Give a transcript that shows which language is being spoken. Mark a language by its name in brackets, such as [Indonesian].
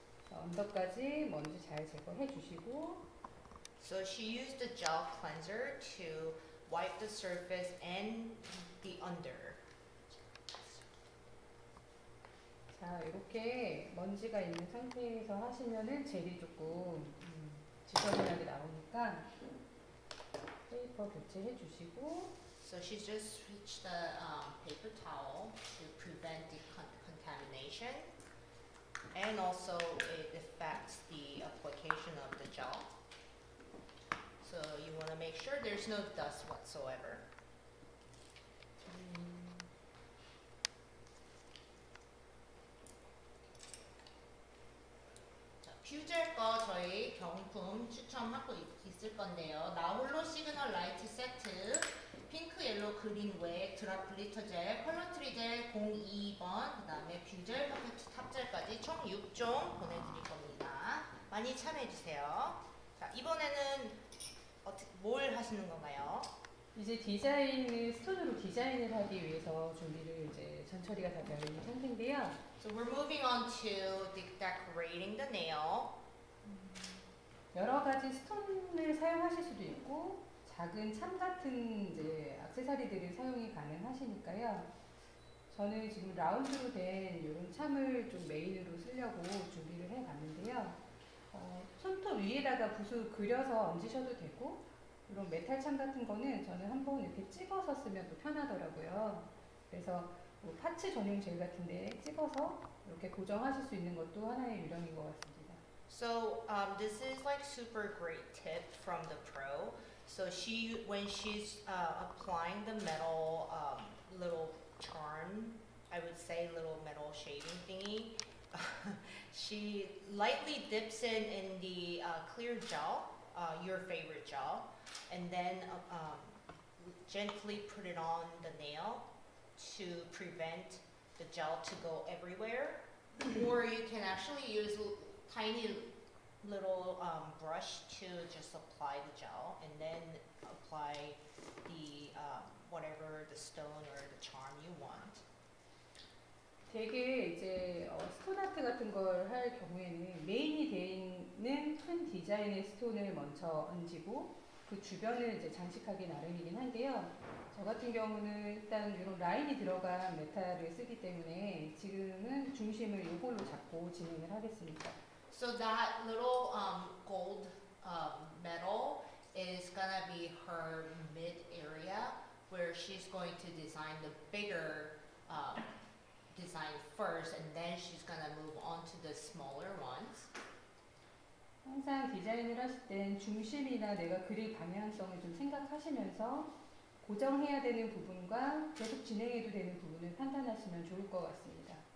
[Korean] 언더까지 먼저 잘 제거해 주시고 [English] So she used a gel cleanser to wipe the surface and the under. [Korean] 자, 이렇게 먼지가 있는 상태에서 하시면은 젤이 조금 지저분하게 나오니까 페이퍼 교체해 주시고 [English] So she just switched the paper towel to prevent the contamination and also it affects the application of the gel. So you want to make sure there's no dust whatsoever. [Korean] 자, 퓨젤 거 저희 경품 추첨하고 있을 건데요. 나홀로 시그널 라이트 세트, 핑크, 옐로우, 그린, 웨이크, 드랍 글리터 젤, 컬러 트리 젤 02번, 그 다음에 퓨젤 퍼펙트 탑젤까지 총 6종 보내드릴 겁니다. 많이 참여해주세요. 자, 이번에는 뭘 하시는 건가요? 이제 디자인을 스톤으로 디자인을 하기 위해서 준비를 이제 전 처리가 다 되어 있는 상태인데요. [English] So we're moving on to decorating the nail. [Korean] 여러 가지 스톤을 사용하실 수도 있고 작은 참 같은 이제 액세서리들을 사용이 가능하시니까요. 저는 지금 라운드로 된 이런 참을 좀 메인으로 쓰려고 준비를 해놨는데요. 손톱 위에다가 붓을 그려서 얹으셔도 되고 이런 메탈 참 같은 거는 저는 한번 이렇게 찍어서 쓰면 또 편하더라고요. 그래서 뭐 파츠 전용 젤 같은데 찍어서 이렇게 고정하실 수 있는 것도 하나의 유형인 것 같습니다. [English] So this is like super great tip from the pro. So she when she's applying the metal little charm, I would say little metal shaving thingy, she lightly dips it in the clear gel, your favorite gel, and then gently put it on the nail to prevent the gel to go everywhere. Or you can actually use tiny little brush to just apply the gel and then apply the whatever the stone or the charm you want. [Korean] 되게 이제 스톤 아트 같은 걸 할 경우에는 메인이 되는 큰 디자인의 스톤을 먼저 얹고 그 주변을 이제 장식하기 나름이긴 한데요. 저 같은 경우는 일단 이런 라인이 들어간 메탈을 쓰기 때문에 지금은 중심을 이걸로 잡고 진행을 하겠습니다. [English] So that little gold metal is gonna be her mid area where she's going to design the bigger design first, and then she's gonna move on to the smaller ones. [Korean] 항상 디자인을 하실 땐 중심이나 내가 그릴 방향성을 좀 생각하시면서 고정해야 되는 부분과 계속 진행해도 되는 부분을 판단하시면 좋을 것 같습니다.